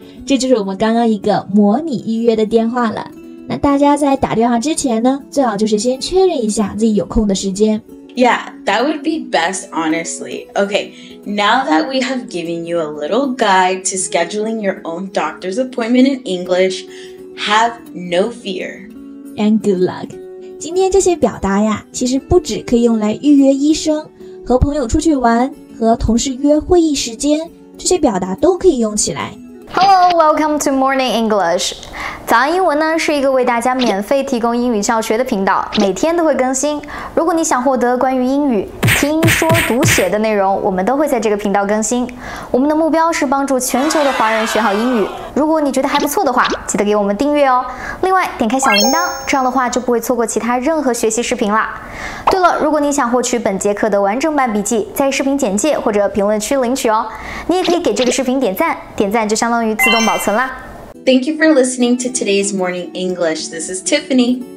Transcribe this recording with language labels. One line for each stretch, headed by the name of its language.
Chinese: 这就是我们刚刚一个模拟预约的电话了。那大家在打电话之前呢，最好就是先确认一下自己有空的时间。
English: Yeah, that would be best, honestly. Okay, now that we have given you a little guide to scheduling your own doctor's appointment in English, have no fear. And good luck.
Chinese: 今天这些表达呀，其实不只可以用来预约医生，和朋友出去玩，和同事约会议时间，这些表达都可以用起来。
English: Hello, welcome to Morning English.
Chinese: 早安英文呢是一个为大家免费提供英语教学的频道，每天都会更新。如果你想获得关于英语听说读写的内容，我们都会在这个频道更新。我们的目标是帮助全球的华人学好英语。如果你觉得还不错的话，记得给我们订阅哦。另外，点开小铃铛，这样的话就不会错过其他任何学习视频啦。对了，如果你想获取本节课的完整版笔记，在视频简介或者评论区领取哦。你也可以给这个视频点赞，点赞就相当于自动保存啦。
English: Thank you for listening to today's Morning English. This is Tiffany.